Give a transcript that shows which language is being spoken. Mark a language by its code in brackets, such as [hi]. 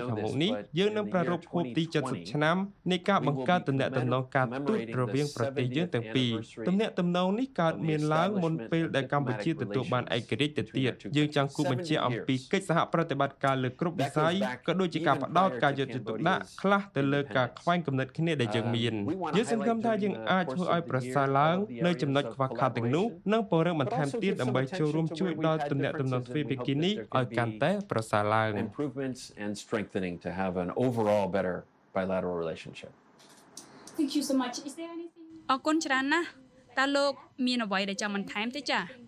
[km] ខនេះយើងនឹងប្រារព្ធខួបទី70ឆ្នាំនៃការបង្កើតទំនាក់ទំនងការទូតរវាងប្រទេសយើងទាំងពីរទំនាក់ទំនងនេះកើតមានឡើងមុនពេលដែលកម្ពុជាទទួលបានឯករាជ្យទៅទៀតយើងចង់គូបញ្ជាអំពីកិច្ចសហប្រតិបត្តិការលើគ្រប់វិស័យក៏ដូចជាការផ្តោតការយកចិត្តទុកដាក់ខ្លះទៅលើការខ្វែងគំនិតគ្នាដែលយើងមានយើងសង្ឃឹមថាយើងអាចធ្វើឲ្យប្រសើរឡើងនៅចំណុចខ្វះខាតទាំងនោះនិងពង្រឹងបន្ថែមទៀតដើម្បីចូលរួមជួយដល់ទំនាក់ទំនងទ្វេភាគីនេះឲ្យកាន់តែប្រសើរឡើង [en] improvements and strengthening to have an overall better bilateral relationship thank you so much is there anything [km] អរគុណច្រើនណាស់តើលោកមានអ្វីដែលចង់បន្ថែមទេចា